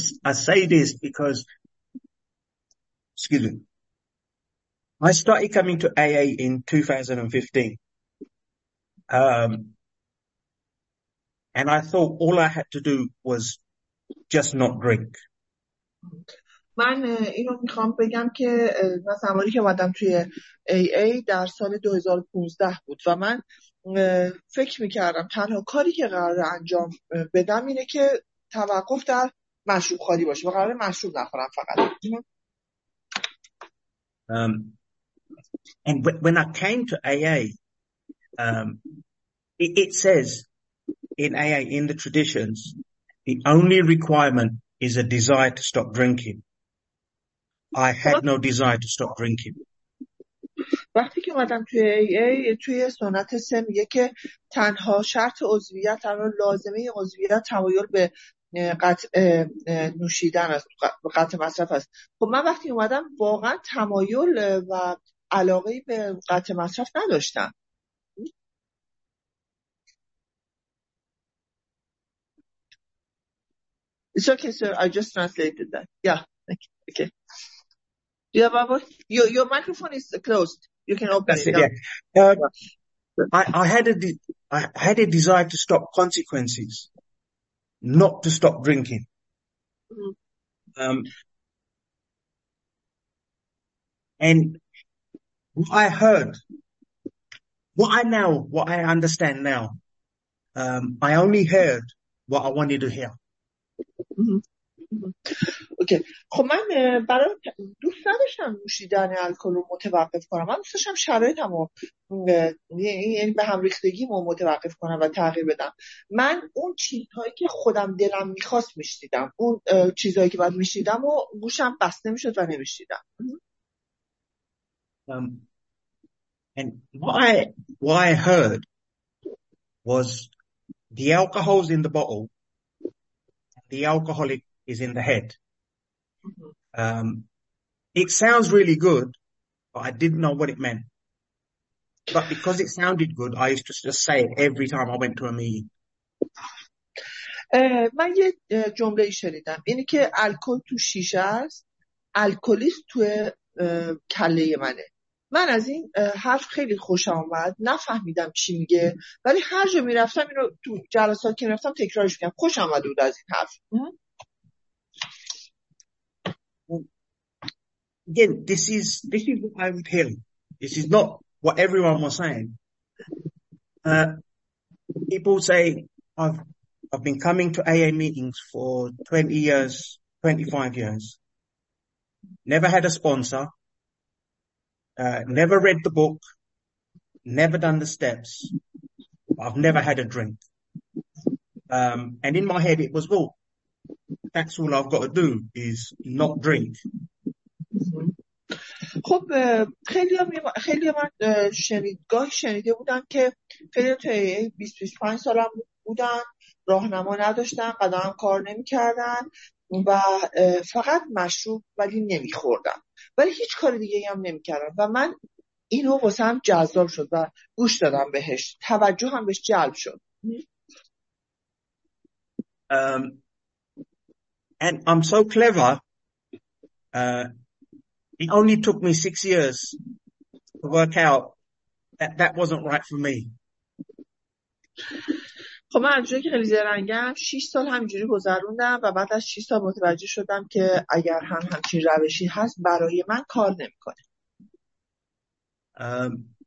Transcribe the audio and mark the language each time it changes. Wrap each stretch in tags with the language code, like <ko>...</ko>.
<en>I say this because, excuse me, I started coming to AA in 2015. And I thought all I had to do was just not drink.</en> <fa>من اینو میخوام بگم که من زمانی که اومدم توی AA در سال 2015 بود و من فکر میکردم تنها کاری که قرار انجام بدم اینه که توقف در مشروب خالی باشه و قرار مشروب نخورم فقط.</fa> <en>And when I came to AA, it says in AA, in the traditions, the only requirement is a desire to stop drinking. I had no desire to stop drinking.</en> <fa>وقتی که اومدم توی AA، توی سنت سه میگه که تنها شرط عضویت، تنها لازمه عضویت تمایل به قطع نوشیدن است، قطع مصرف است. خب من وقتی اومدم واقعا تمایل و علاقه ای به قطع مصرف نداشتم.</fa> <en>It's okay, sir. I just translated that. Yeah. Okay. Yeah, Baba. Your microphone is closed. You can open That's it. It. Yeah. I had a desire to stop consequences, not to stop drinking. And what I understand now, I only heard what I wanted to hear. Okay.</en> <fa>خب من برای دوست نداشتم نوشیدن الکل رو متوقف کنم، من دوست داشتم شرایطم رو یعنی به هم ریختگیم رو متوقف کنم و تغییر بدم. من اون چیزهایی که خودم دلم میخواست میشیدم، اون چیزهایی که باید میشیدم و گوشم بسته میشد و نمیشیدم.</fa> <en>And what I heard was the alcohol's in the bottle, the alcoholic is in the head. It sounds really good, but I didn't know what it meant. But because it sounded good, I used to just say it every time I went to a meeting.</en> <fa>من یه جمله شنیدم، اینی که الکل تو شیشه است، الکلیست تو کله منه. من از این حرف خیلی خوشم اومد، نفهمیدم چی میگه، ولی هر جا میرفتم اینو تو جلسات که میرفتم تکرارش میکنم، خوشم اومد بود از این حرف.</fa> <en>Again, this is what I would tell. This is not what everyone was saying. People say, I've been coming to AA meetings for 20 years, 25 years. Never had a sponsor. Never read the book. Never done the steps. I've never had a drink. And in my head, it was, well, that's all I've got to do is not drink.</en> <fa>خب خیلی من شنیدگاه شنیده بودم که خیلی توی 25 سالم بودن، راهنما نداشتن، قدم کار نمی کردن و فقط مشروب ولی نمی خوردن، ولی هیچ کار دیگه هم نمی کردن. و من اینو واسه هم جذاب شد و گوش دادم بهش، توجه هم بهش جلب شد.</fa> <en>And I'm so clever. It only took me 6 years to work out that that wasn't right for me.</en> <fa>خب من اینجوری که خیلی زرنگم، 6 سال همینجوری گذروندم و بعد از 6 سال متوجه شدم که اگر هم همچین روشی هست برای من کار نمیکنه.</fa>